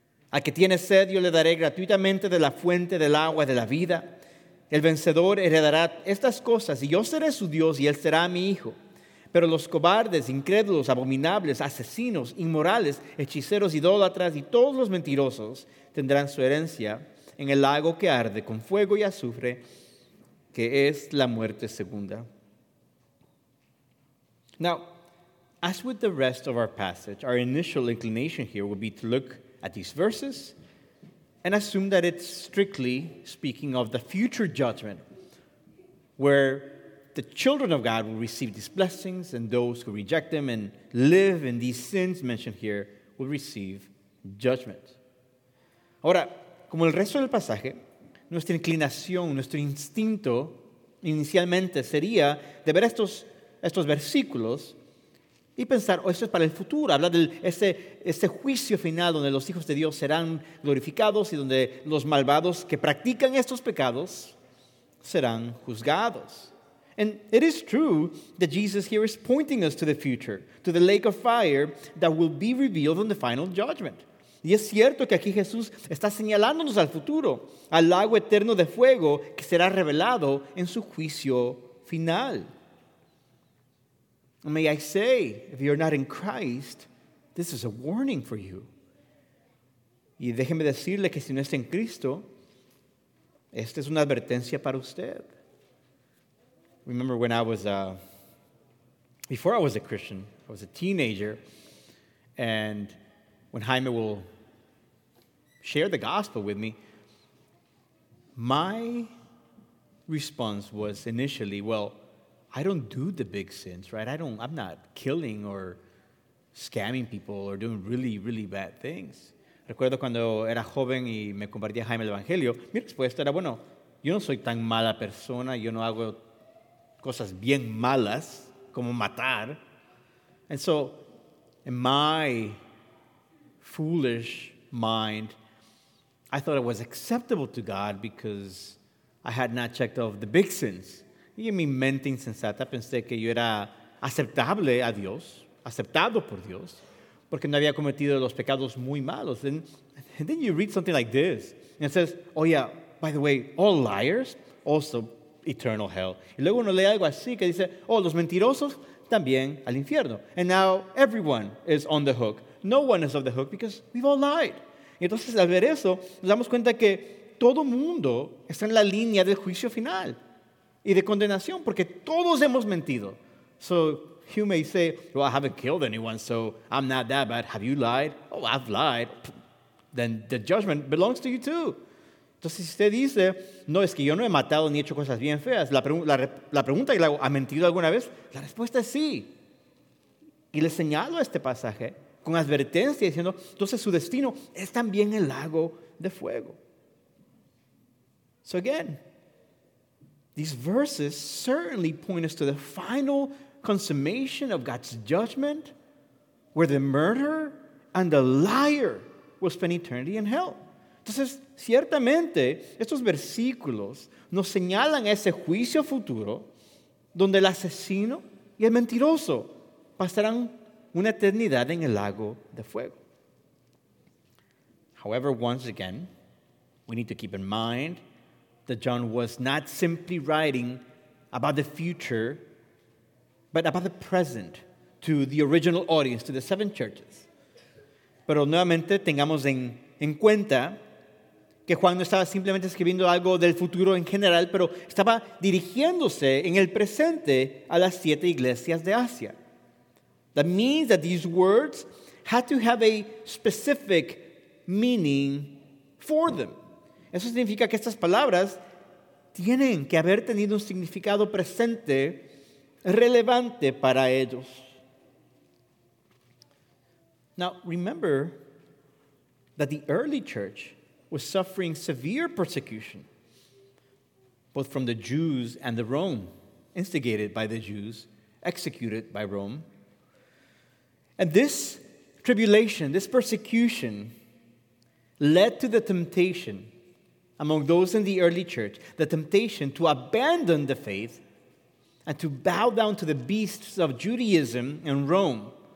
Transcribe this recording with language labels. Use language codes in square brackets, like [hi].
[es] Al que tiene sed, yo le daré gratuitamente de la fuente del agua de la vida. El vencedor heredará estas cosas, y yo seré su Dios, y él será mi hijo. Pero los cobardes, incrédulos, abominables, asesinos, inmorales, hechiceros, idólatras, y todos los mentirosos tendrán su herencia en el lago que arde con fuego y azufre, que es la muerte segunda. [en] Now, as with the rest of our passage, our initial inclination here would be to look at these verses, and assume that it's strictly speaking of the future judgment, where the children of God will receive these blessings, and those who reject them and live in these sins mentioned here will receive judgment. [es] Ahora, como el resto del pasaje, nuestra inclinación, nuestro instinto inicialmente sería de ver estos versículos y pensar, oh, esto es para el futuro, habla de ese juicio final donde los hijos de Dios serán glorificados y donde los malvados que practican estos pecados serán juzgados. [en] And it is true that Jesus here is pointing us to the future, to the lake of fire that will be revealed in the final judgment. [es] Y es cierto que aquí Jesús está señalándonos al futuro, al lago eterno de fuego que será revelado en su juicio final. [en] May I say, if you're not in Christ, this is a warning for you. [es] Y déjeme decirle que si no está en Cristo, esta es una advertencia para usted. [en] Remember when I was, before I was a Christian, I was a teenager, and when Jaime will share the gospel with me, my response was initially, well, I don't do the big sins, right? I'm not killing or scamming people or doing really, really bad things. [es] Recuerdo cuando era joven y me compartía Jaime el Evangelio, mi respuesta era, bueno, yo no soy tan mala persona, yo no hago cosas bien malas como matar. [en] And so, in my foolish mind, I thought it was acceptable to God because I had not checked off the big sins. [es] Y en mi mente insensata pensé que yo era aceptable a Dios, aceptado por Dios, porque no había cometido los pecados muy malos. [en] And then you read something like this, and it says, oh yeah, by the way, all liars, also eternal hell. [es] Y luego uno lee algo así que dice, oh, los mentirosos, también al infierno. [en] And now everyone is on the hook. No one is off the hook because we've all lied. [es] Y entonces al ver eso, nos damos cuenta que todo mundo está en la línea del juicio final y de condenación, porque todos hemos mentido. [en] So you may say, well, I haven't killed anyone, so I'm not that bad. Have you lied? Oh, I've lied. Then the judgment belongs to you too. [es] Entonces, si usted dice, no, es que yo no he matado ni he hecho cosas bien feas, la pregunta que le hago, ¿ha mentido alguna vez? La respuesta es sí. Y le señalo este pasaje con advertencia, diciendo, entonces su destino es también el lago de fuego. [en] So again, these verses certainly point us to the final consummation of God's judgment, where the murderer and the liar will spend eternity in hell. [es] Entonces, ciertamente, estos versículos nos señalan ese juicio futuro donde el asesino y el mentiroso pasarán una eternidad en el lago de fuego. [en] However, once again, we need to keep in mind that John was not simply writing about the future, but about the present to the original audience, to the seven churches. [es] Pero nuevamente, tengamos en cuenta que Juan no estaba simplemente escribiendo algo del futuro en general, pero estaba dirigiéndose en el presente a las siete iglesias de Asia. [en] That means that these words had to have a specific meaning for them. [es] Eso significa que estas palabras tienen que haber tenido un significado presente relevante para ellos. [en] Now, remember that the early church was suffering severe persecution, both from the Jews and the Rome, instigated by the Jews, executed by Rome. And this tribulation, this persecution, led to the temptation among those in the early church, the temptation to abandon the faith and to bow down to the beasts of Judaism and Rome.